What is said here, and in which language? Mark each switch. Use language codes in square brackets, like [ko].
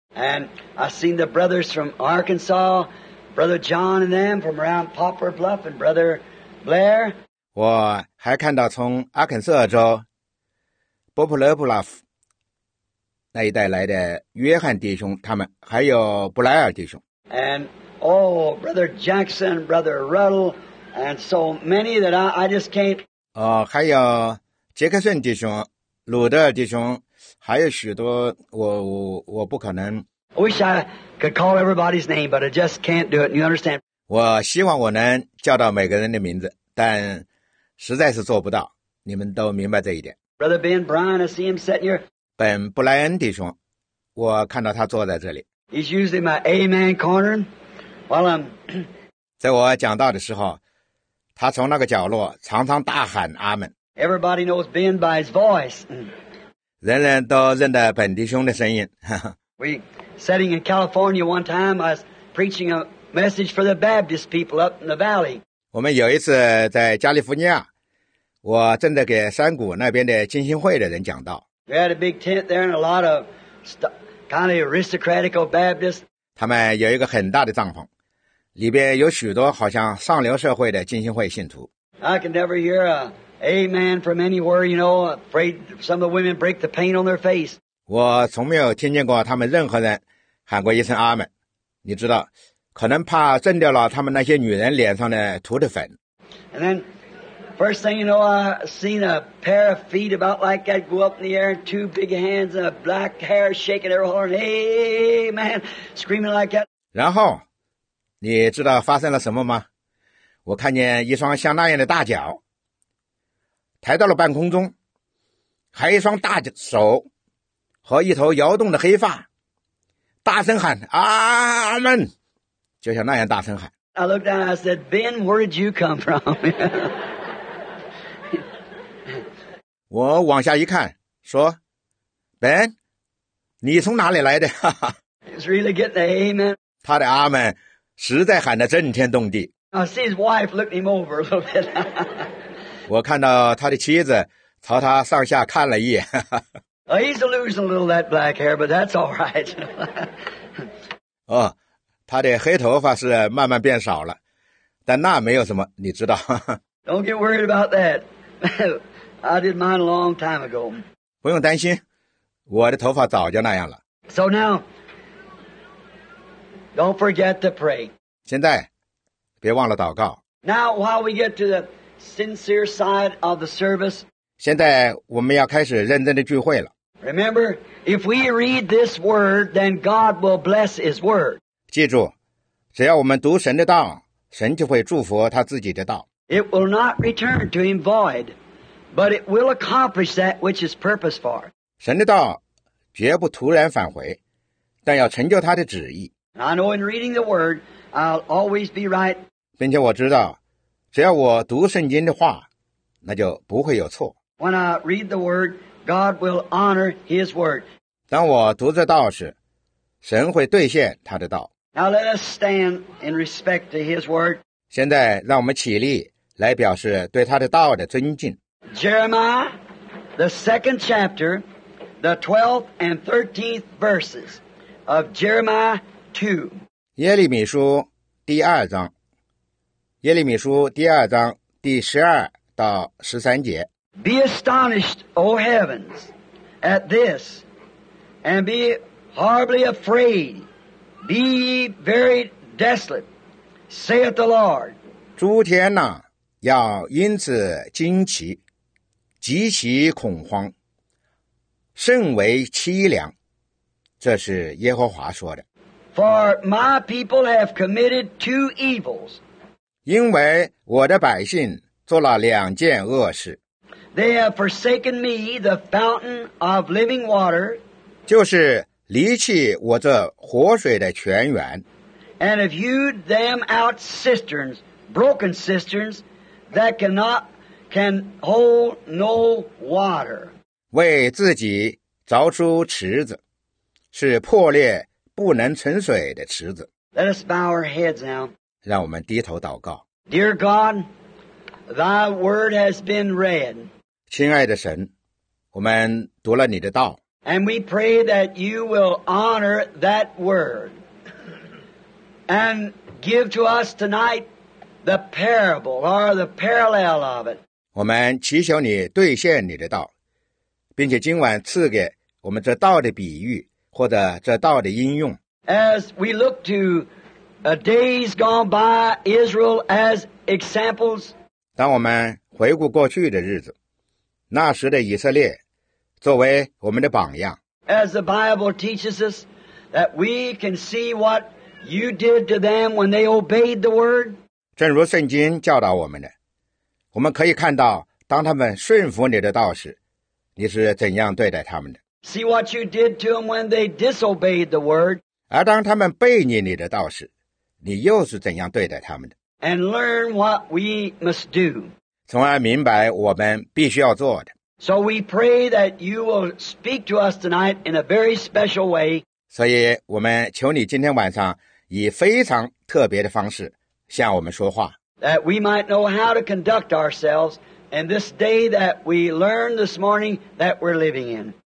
[en] And I've seen the brothers from Arkansas, Brother John and them from around Poplar Bluff and Brother Blair. [zh] 我还看到从阿肯色州波普勒布拉夫那一带来的约翰弟兄他们，还有布莱尔弟兄。 [en] And oh, Brother Jackson, Brother Ruddle, and so many that I just can't. [zh] 还有杰克逊弟兄、鲁德尔弟兄。还有许多我不可能。 [en] I wish I could call everybody's name, but I just can't do it. You understand? [zh] 我希望我能叫到每个人的名字，但实在是做不到。你们都明白这一点。 [en] Brother Ben Bryan, I see him sitting here. [zh] 本布莱恩弟兄，我看到他坐在这里。 [en] He's usually my Amen corner. While I'm [zh] 在我讲道的时候，他从那个角落常常大喊阿门。 [en] Everybody knows Ben by his voice. [zh] 人人都认得本弟兄的声音。 [en] We sitting in California one time, I was preaching a message for the Baptist people up in the valley. [zh] 我们有一次在加利福尼亚，我正在给山谷那边的浸信会的人讲道。 [en] We had a big tent there and a lot of kind of aristocratical Baptists. [zh] 他们有一个很大的帐篷，里边有许多好像上流社会的浸信会信徒。 [en] I can never hear a. Amen from anywhere, you know, afraid some of the women break the paint on their face. [zh] 我从没有听见过他们任何人喊过一声阿们。你知道，可能怕震掉了他们那些女人脸上的涂的粉。 [en] And then, first thing you know, I seen a pair of feet about like that go up in the air, and two big hands and a black hair shaking their horn, Amen, screaming like that. [zh] 然后，你知道发生了什么吗？我看见一双像那样的大脚。抬到了半空中，还一双大手和一头摇动的黑发，大声喊阿们，就像那样大声喊。 [en] I looked down and I said, Ben, where did you come from? [zh] 我往下一看，说 ，Ben， 你从哪里来的？ [en] It's really getting the amen. [zh] 他的阿们实在喊得震天动地。 [en] I see his wife looking him over a little bit. [zh] 我看到他的妻子朝他上下看了一眼。 [en] He's losing a little of that black hair, but that's all right. [zh] 哦，他的黑头发是慢慢变少了。但那没有什么，你知道。 [en] Don't get worried about that. I did mine a long time ago. [zh] 不用担心，我的头发早就那样了。 [en] So now, don't forget to pray. [zh] 现在，别忘了祷告。 [en] Now, while we get to the sincere side of the service, [zh] 现在我们要开始认真的聚会了。 [en] Remember, if we read this word, then God will bless His word. [zh] 记住，只要我们读神的道。神就会祝福他自己的道。 [en] It will not return to him void, but it will accomplish that which is purposed for. [zh] 神的道绝不突然返回，但要成就他的旨意。 [en] And I know in reading the word, I'll always be right. [zh] 并且我知道，只要我读圣经的话，那就不会有错。 [en] When I read the word, God will honor His word. [zh] 当我读这道时，神会兑现他的道。 [en] Now let us stand in respect to His word. [zh] 现在让我们起立来表示对他的道的尊敬。 [en] Jeremiah, the second chapter, the 12th and 13th verses of Jeremiah 2. [zh] 耶利米书第二章。耶利米书第二章第十二到十三节。 [en] Be astonished, O heavens, at this, and be horribly afraid. Be very desolate, saith the Lord. [zh] 诸天哪，要因此惊奇，极其恐慌，甚为凄凉。这是耶和华说的。 [en] For my people have committed two evils. [zh] 因为我的百姓做了两件恶事。 [en] They have forsaken me, the fountain of living water. [zh] 就是离弃我这活水的泉源 [en] and have hewed them out cisterns, broken cisterns that can hold no water. [zh] 为自己凿出池子，是破裂不能存水的池子。 [en] Let us bow our heads now. [zh] 让我们低头祷告。 [en] Dear God, Thy word has been read. [zh] 亲爱的神，我们读了你的道。 [en] And we pray that you will honor that word and give to us tonight the parable or the parallel of it. [zh] 我们祈求你兑现你的道，并且今晚赐给我们这道的比喻或者这道的应用。 [en] As we look to days gone by, Israel as examples. [zh] 当我们回顾过去的日子，那时的以色列。作为我们的榜样。 [en] As the Bible teaches us that we can see what you did to them when they obeyed the word. [zh] 正如圣经教导我们的，我们可以看到当他们顺服你的道时，你是怎样对待他们的。 [en] See what you did to them when they disobeyed the word. [zh] 而当他们背逆你的道时，你又是怎样对待他们的。 [en] And learn what we must do. [zh] 从而明白我们必须要做的。 [en] So we pray that you will speak to us tonight in a very special way. [zh] 所以我们求你今天晚上以非常特别的方式向我们说话。 [en] That we might know how to conduct ourselves in this day that we learn this morning that we're living in.